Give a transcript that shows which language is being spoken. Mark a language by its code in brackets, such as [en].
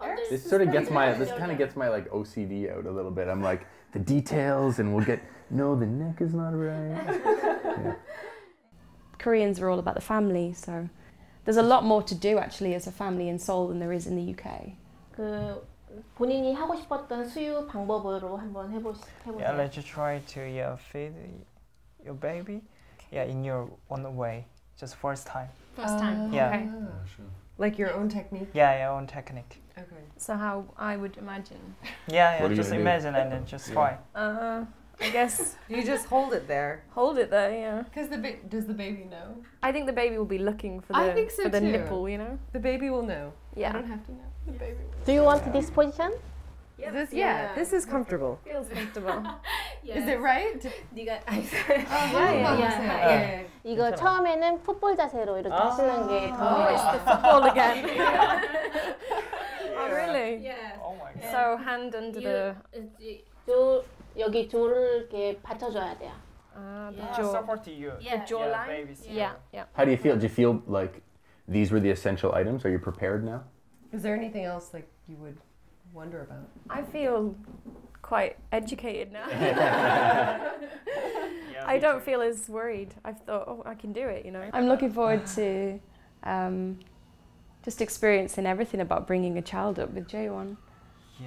[en] This sort of gets my like OCD out a little bit. I'm like the details, and we'll get the neck is not right. Koreans are all about the family, so. There's a lot more to do actually as a family in Seoul than there is in the UK. [ko] 그 본인이 하고 싶었던 수유 방법으로 한번 해보세요. [en] Yeah, let you try to feed your baby. Okay. Yeah, in your own way, just first time. First time. Yeah. Okay. Yeah, sure. Like your own technique. Yeah, your own technique. Okay. So how I would imagine. Yeah, just imagine and then just try. I guess you just hold it there. Hold it there, yeah. Because does the baby know? I think the baby will be looking for the for the nipple, you know. The baby will know. Yeah. You don't have to know. The baby will know. Do you want this position? Yep. This, yeah. This is comfortable. Feels comfortable. Yes. Is it right? [ko] 네가 아이스. 아, 예. 예. 이거 처음에는 풋볼 자세로 이렇게 하시는 게 더 [en] It's the football again. Oh really? Yeah. Oh my god. So hand under the [ko] 여기 조를 이렇게 받쳐줘야 돼요. [en] Support to you. Yeah. The jawline. Yeah. How do you feel? Do you feel like these were the essential items? Are you prepared now? Is there anything else like you would wonder about? I feel quite educated now. I don't feel as worried. I've thought, oh, I can do it, you know. I'm looking forward to just experiencing everything about bringing a child up with J1. Yeah.